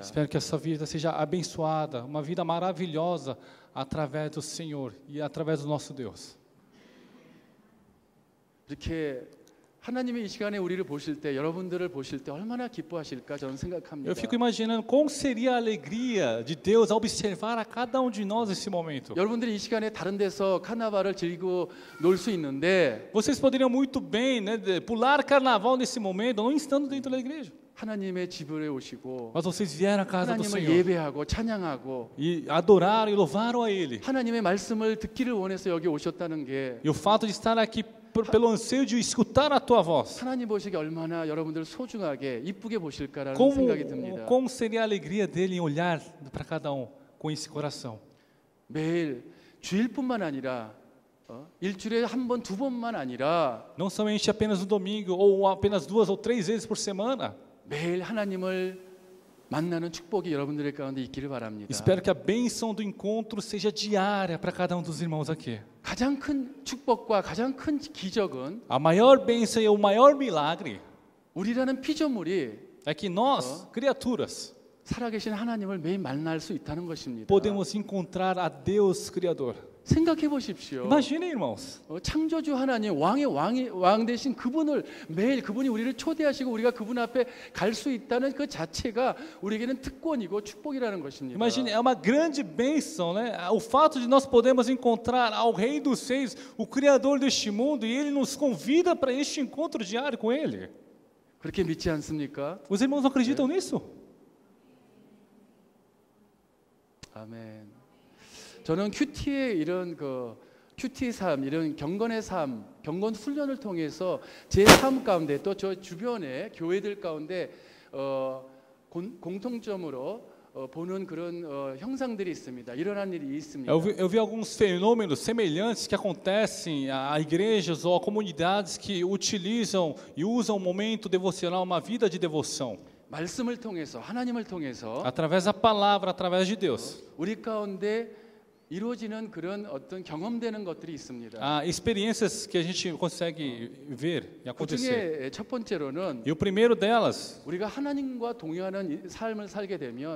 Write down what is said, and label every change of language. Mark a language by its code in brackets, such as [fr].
[pt] Espero que essa vida seja abençoada, uma vida maravilhosa. Através do Senhor e através do nosso Deus. [ko] 이렇게 하나님이 이 시간에 우리를 보실 때 여러분들을 보실 때 얼마나 기뻐하실까 저는 생각합니다. [pt] Eu fico imaginando como seria a alegria de Deus ao observar a cada um de nós nesse momento. [ko] 여러분들이 이 시간에 다른 데서 카나발을 즐기고 놀 수 있는데 [pt] Vocês poderiam muito bem, né, pular carnaval nesse momento, não estando dentro da igreja. [ko] 하나님의 집으로 오시고 [pt] Mas vocês vieram à casa do Senhor. [ko] 하나님을 예배하고 찬양하고 [pt] e adoraram e louvaram a ele. [ko] 하나님의 말씀을 듣기를 원해서 여기 오셨다는 게 [pt] E o fato de estar aqui pelo anseio de escutar a tua voz. [ko] 하나님 보시기 얼마나 여러분들 소중하게 이쁘게 보실까라는 [pt] como, [ko] 생각이 듭니다. [pt] Como seria a alegria dele em olhar para cada um com esse coração. [ko] 매일 주일뿐만 아니라 일주일에 한 번 두 번만 아니라 [pt] Não somente apenas no domingo ou apenas duas ou três vezes por semana. [ko] 매일 하나님을 만나는 축복이 여러분들 가운데 있기를 바랍니다. [pt] Espero que a bênção do encontro seja diária para cada um dos irmãos aqui. [ko] 가장 큰 축복과 가장 큰 기적은 [pt] A maior bênção e o maior milagre [ko] 우리라는 피조물이 [pt] é que nós, criaturas [ko] 살아계신 하나님을 매일 만날 수 있다는 것입니다. [pt] Podemos encontrar a Deus Criador. [ko] 생각해 보십시오. [pt] Imagine, irmãos. [ko] 창조주 하나님, 왕의 왕이 왕 되신 그분을 매일 그분이 우리를 초대하시고 우리가 그분 앞에 갈 수 있다는 그 자체가 우리에게는 특권이고 축복이라는 것입니다. [pt] Imagine, é uma grande bênção, né? O fato de nós podemos encontrar ao Rei dos Reis, o Criador deste mundo, e Ele nos convida para este encontro diário com Ele. [ko] 그렇게 믿지 않습니까? [pt] Os irmãos acreditam [ko] 네. [pt] nisso? Amém. [ko] 저는 큐티의 이런 그 큐티 삶, 이런 경건의 삶, 경건 훈련을 통해서 제 삶 가운데 또 저 주변의 교회들 가운데 공통점으로 보는 그런 형상들이 있습니다. 일어난 일이 있습니다. [pt] Eu vi alguns fenômenos semelhantes que acontecem a igrejas ou a comunidades que utilizam e usam o momento devocional, uma vida de devoção. [ko] 말씀을 통해서 하나님을 통해서 [pt] Através da palavra, através de Deus. [ko] 우리 가운데 이루어지는 그런 어떤 경험되는 것들이 있습니다. [pt] 아, experiências que a gente consegue ver e acontecer. [ko] 그중에 첫 번째로는 [pt] E o primeiro delas [ko] 우리가 하나님과 동행하는 삶을 살게 되면